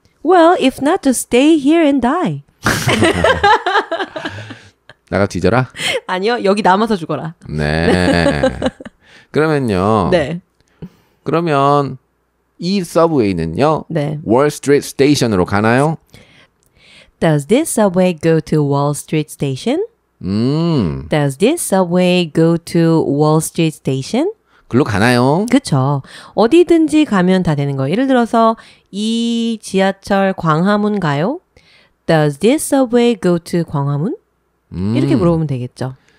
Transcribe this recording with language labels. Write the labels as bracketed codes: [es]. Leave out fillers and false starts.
[en] Well, if not, just stay here and die. [ko] 나가 뒤져라. 아니요, 여기 남아서 죽어라. 네. 그러면요. 네. 그러면 이 서브웨이는요? 네. Wall Street Station으로 가나요? [en] Does this subway go to Wall Street Station? Does this subway go to Wall Street Station? [ko] 글로 가나요? 그렇죠. 어디든지 가면 다 되는 거예요. 예를 들어서 이 지하철 광화문 가요? [en] Does this subway go to 광화문? [ko] 이렇게 물어보면 되겠죠.